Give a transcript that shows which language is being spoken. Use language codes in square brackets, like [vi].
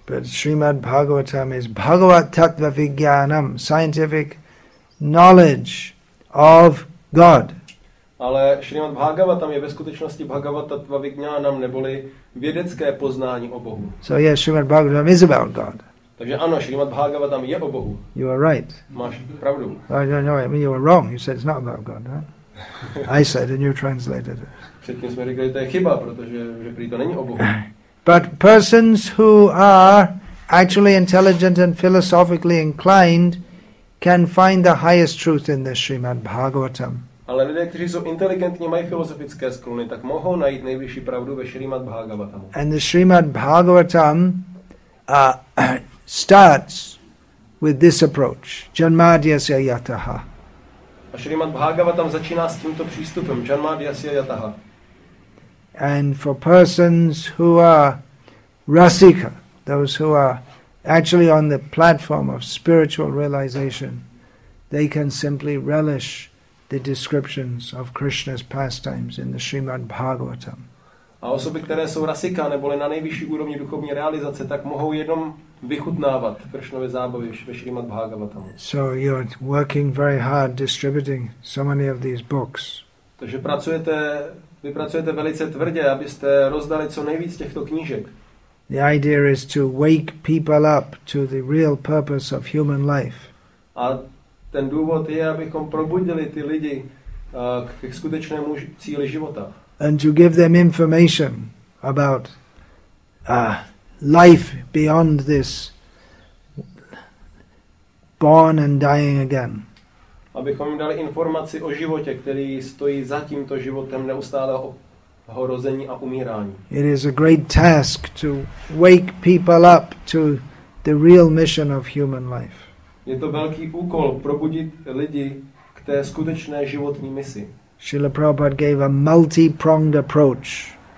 [en] But Srimad Bhagavatam is Bhagavat Tattva Vigyanam, scientific knowledge of God. [cs] Ale Srimad Bhagavatam je ve skutečnosti Bhagavat Tattva Vigyanam, neboli vědecké poznání o Bohu. [en] So yes, Srimad Bhagavatam is about God. [cs] Takže ano, Srimad Bhagavatam je o Bohu. [en] You are right. [cs] Máš pravdu. [en] No, I mean you were wrong. You said it's not about God, right? I said and you translated it. [cs] Předtím jsme říkali, že to je chyba, protože prý to není o Bohu. [en] But persons who are actually intelligent and philosophically inclined can find the highest truth in the Srimad Bhagavatam. [cs] Ale lidé, kteří jsou inteligentní, mají filozofické skluny, tak mohou najít nejvyšší pravdu ve Srimad Bhagavatam. [en] And the Srimad Bhagavatam starts with this approach. [sa] Janmadyasya yataha. [cs] A Srimad Bhagavatam začíná s tímto přístupem. [sa] Janmadyasya yataha. [en] And for persons who are rasika, those who are actually on the platform of spiritual realization, they can simply relish the descriptions of Krishna's pastimes in the Srimad Bhagavatam. [cs] A osoby, které jsou rasika, neboli na nejvyšší úrovni duchovní realizace, tak mohou jenom vychutnávat Krishnovy zábavy ve Srimad Bhagavatam. [en] So you're working very hard distributing so many of these books. [cs] Takže pracujete, vy pracujete velice tvrdě, abyste rozdali co nejvíc těchto knížek. [en] The idea is to wake people up to the real purpose of human life. [cs] A ten důvod je, abychom probudili ty lidi k skutečnému cíli života. [en] And to give them information about life beyond this born and dying again. [cs] Abychom jim dali informaci o životě, který stojí za tímto životem neustálého rození a umírání. [en] It is a great task to wake people up to the real mission of human life. [cs] Je to velký úkol probudit lidi k té skutečné životní misi. [en] Srila Prabhupada gave a multi-pronged approach.